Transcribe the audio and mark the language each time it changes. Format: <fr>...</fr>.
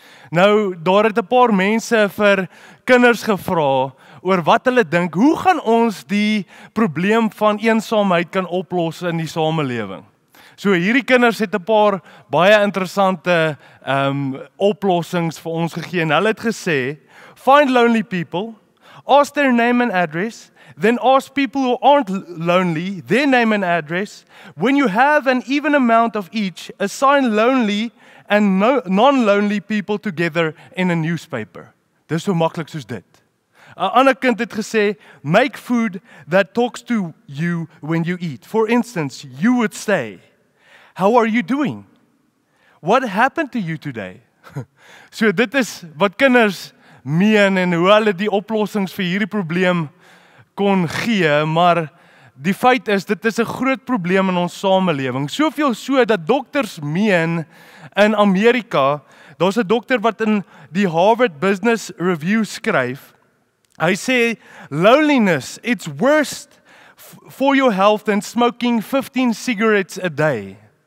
<af>Nou, daar het 'n paar mense vir kinders gevra oor wat hulle dink, hoe gaan ons die probleem van eensaamheid kan oplos in die samelewing? So hierdie kinders het 'n paar baie interessante oplossings vir ons gegee. En hulle het gesê,</af> <en>find lonely people, ask their name and address, then ask people who aren't lonely, their name and address. When you have an even amount of each, assign lonely and non-lonely people together in a newspaper.</en> <af>Dis so maklik soos dit. 'N ander kind het gesê,</af> <en>make food that talks to you when you eat. For instance, you would say, how are you doing? What happened to you today?</en> <af>So dit is wat kinders meen en hoe hulle die oplossings vir hierdie probleem kon gee, maar die feit is, dit is 'n groot probleem in ons samelewing. Soveel so dat dokters meen in Amerika, daar's 'n dokter wat in die Harvard Business Review skryf, hy sê,</af> <en>loneliness, it's worse for your health than smoking 15 cigarettes a day.</en>